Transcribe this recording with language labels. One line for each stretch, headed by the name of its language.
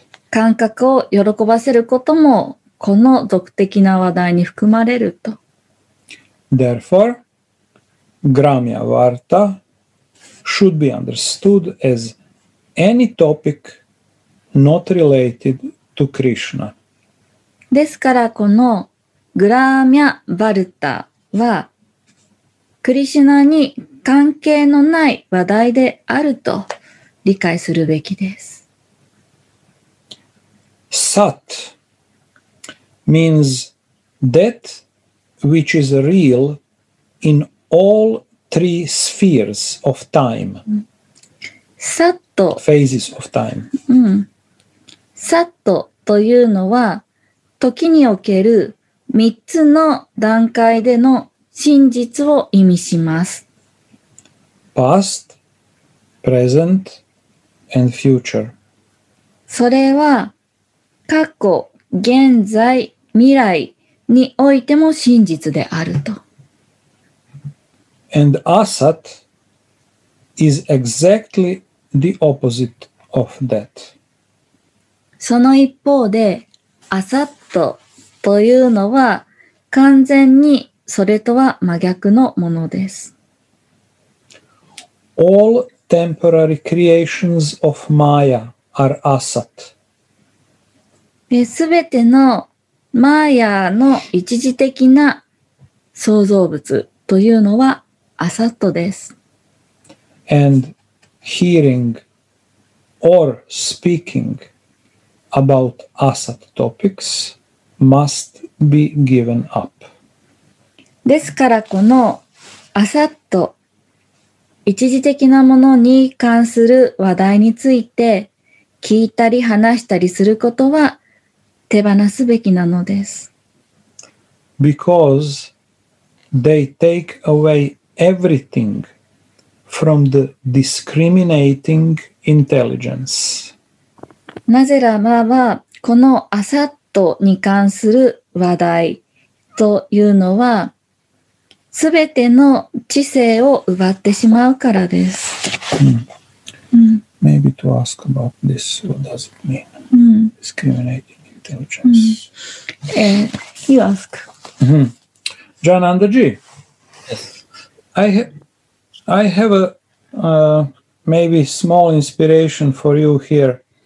Japanese: 感覚を喜ばせることもこの俗的な話題に含まれると。
English: Therefore, Gramya Varta should be understood as any topic not related to Krishna.
Japanese: ですからこのグラーミャ・バルタはクリシュナに関係のない話題であると理解するべきです。
English: Sat means that which is real in all three spheres of time. Sat phases of time.
Japanese: Sat というのは時における三つの段階での真実を意味します。
English: Past, present, and future.
Japanese: それは過去、現在、未来においても真実であると。
English: And asat is exactly the opposite of that.
Japanese: その一方で、asatというのは完全にそれとは真逆のものです。
English: All temporary creations of Maya are asat.
Japanese: すべてのマーヤの一時的な創造物というのはアサットです。
English: And hearing or speaking about asat topics. Must be given up.
Japanese: ですからこのアサット一時的なものに関する話題について聞いたり話したりすることは手放すべきなのです。
English: Because they take away everything from the discriminating intelligence.
Japanese: なぜらばはこのアサットに関する話題というのは全ての知性を奪ってしまうからです。
English: Maybe to ask about this, what does it mean? Discriminating intelligence. You ask. Jananda-ji. Yes. I have a maybe small inspiration for you here.